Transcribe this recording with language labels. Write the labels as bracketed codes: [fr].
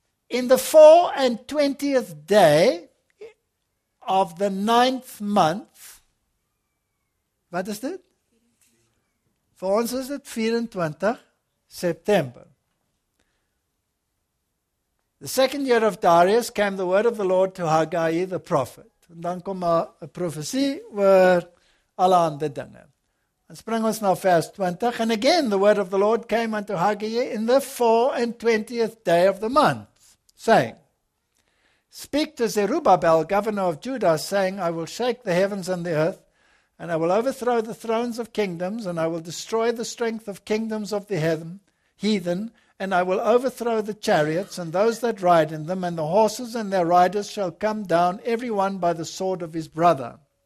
[en] In the 24th day of the 9th month, [af] wat is dit? Vir ons is dit 24 September. [en] The second year of Darius came the word of the Lord to Haggai the prophet. [af] En dan kom 'n profesie oor alle ander dinge. En spring ons nou vers 20. [en] And again the word of the Lord came unto Haggai in the 24th day of the month, saying, speak to Zerubbabel, governor of Judah, saying, I will shake the heavens and the earth, and I will overthrow the thrones of kingdoms, and I will destroy the strength of kingdoms of the heathen, and I will overthrow the chariots and those that ride in them, and the horses and their riders shall come down, every one by the sword of his brother.